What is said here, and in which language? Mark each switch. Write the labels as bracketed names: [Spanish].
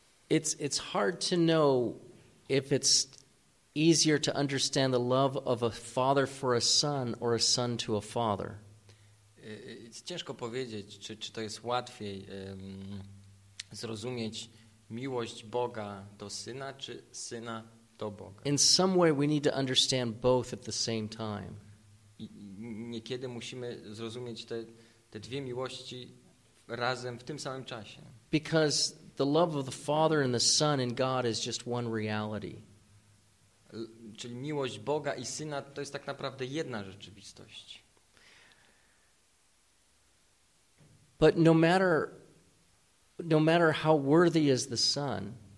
[English] It's hard to know if it's easier to understand the love of a father for a son or a son to a father. [Polish] It's ciężko powiedzieć, czy to jest łatwiej zrozumieć miłość Boga do syna, czy syna do Boga. [English] In some way, we need to understand both at the same time. [Polish] Niekiedy musimy zrozumieć te dwie miłości razem w tym samym czasie. [English] Because the love of the Father and the Son in God is just one reality. [Polish] Czyli miłość Boga i Syna to jest tak naprawdę jedna rzeczywistość. [English] But no matter how worthy is the Son.